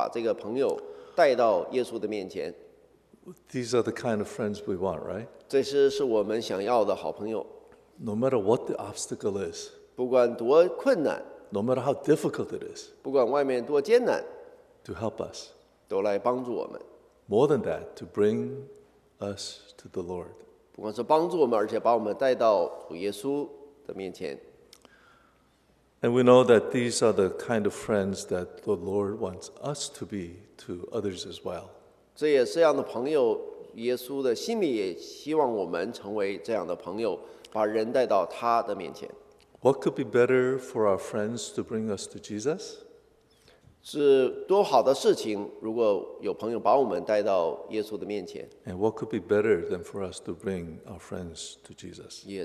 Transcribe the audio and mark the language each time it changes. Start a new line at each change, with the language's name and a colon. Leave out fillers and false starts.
Chinese: 这些朋友们，这是经过千辛万苦把这个朋友带到耶稣的面前。
English: These are the kind of friends we want, right?
Chinese: 这是我们想要的好朋友。
English: No matter what the obstacle is,
Chinese: 不管多困难,
English: No matter how difficult it is,
Chinese: 不管外面多艰难,
English: To help us,
Chinese: 都来帮助我们。
English: More than that, to bring us to the Lord.
Chinese: 不管是帮助我们, 而且把我们带到主耶稣的面前。
English: And we know that these are the kind of friends that the Lord wants us to be to others as well.
Chinese: 这也是这样的朋友，耶稣的心里也希望我们成为这样的朋友，把人带到他的面前。
English: What could be better for our friends to bring us to Jesus?
Chinese: 是多好的事情，如果有朋友把我们带到耶稣的面前。
English: And what could be better than for us to bring our friends to Jesus?